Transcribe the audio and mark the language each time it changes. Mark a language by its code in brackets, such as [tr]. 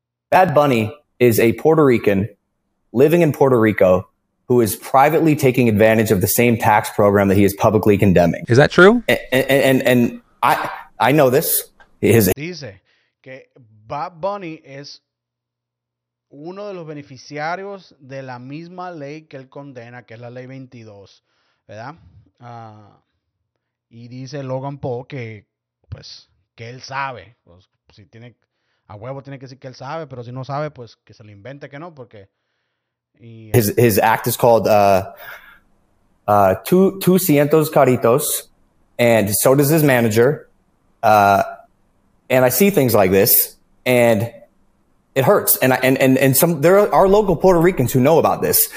[en] Bad Bunny is a Puerto Rican living in Puerto Rico who is privately taking advantage of the same tax program that he is publicly condemning. Is that true? And I know this. [es] Dice que Bad Bunny es uno de los beneficiarios de la misma ley que él condena, que es la ley 22, ¿verdad? Y dice Logan Paul que él sabe, pues, si tiene... A huevo tiene que decir que él sabe, pero si no sabe, pues que se lo invente que no, porque... [en] His act is called 200 caritos, and so does his manager. And I see things like this, and it hurts. And there are local Puerto Ricans who know about this.